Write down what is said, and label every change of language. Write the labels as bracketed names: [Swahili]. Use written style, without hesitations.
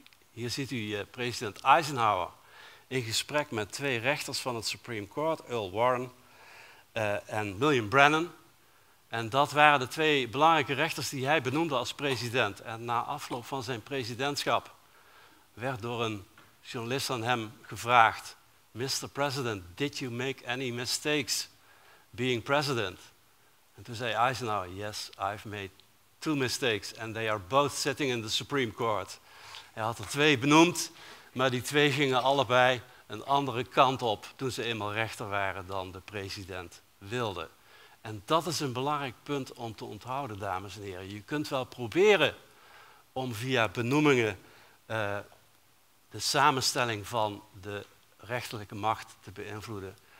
[Dutch] Hier ziet u president Eisenhower in gesprek met twee rechters van het Supreme Court, Earl Warren en William Brennan. En dat waren de twee belangrijke rechters die hij benoemde als president. En na afloop van zijn presidentschap werd door een journalist aan hem gevraagd, [English] Mr. President, did you make any mistakes being president? [Dutch] En toen zei Eisenhower, [English] yes, I've made 2 mistakes and they are both sitting in the Supreme Court. [Dutch] Hij had er 2 benoemd, maar die 2 gingen allebei een andere kant op toen ze eenmaal rechter waren dan de president wilde. En dat is een belangrijk punt om te onthouden, dames en heren. Je kunt wel proberen om via benoemingen de samenstelling van de rechterlijke macht te beïnvloeden.